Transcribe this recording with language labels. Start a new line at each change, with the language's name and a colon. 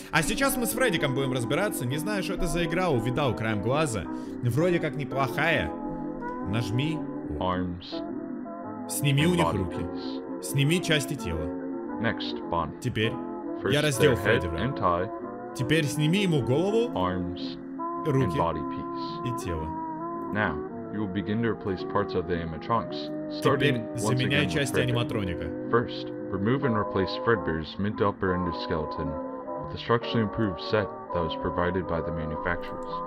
Russian: А сейчас мы с Фреддиком будем разбираться. Не знаю, что это за игра, увидал краем глаза. Вроде как неплохая. Нажми.
English: Arms.
Russian: Сними у них руки. Piece. Сними части тела.
English: Next, Bonnie.
Russian: Теперь. First, я раздел Фреддика. Теперь сними ему голову.
English: Arms.
Russian: Руки.
English: And body piece.
Russian: И тело.
English: Now, you will begin to replace parts of the animatronics.
Russian: Теперь заменяй части аниматроника.
English: First, remove and replace Fredbear's mid upper endoskeleton with a structurally improved set that was provided by the manufacturers.